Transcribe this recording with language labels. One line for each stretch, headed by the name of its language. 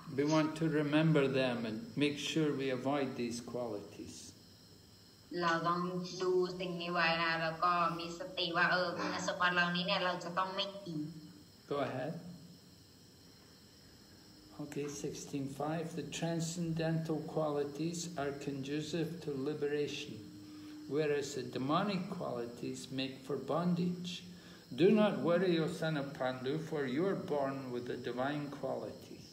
English: We want to remember them and make sure we avoid these qualities.
Thai: เราต้องดูสิ่งนี้ไว้นะแล้วก็มีสติว่าคุณสมบัติเหล่านี้เนี่ยเราจะต้องไม่มี
English: Go ahead. Okay, 16.5. The transcendental qualities are conducive to liberation, whereas the demonic qualities make for bondage. Do not worry, O son of Pandu, for you are born with the divine qualities.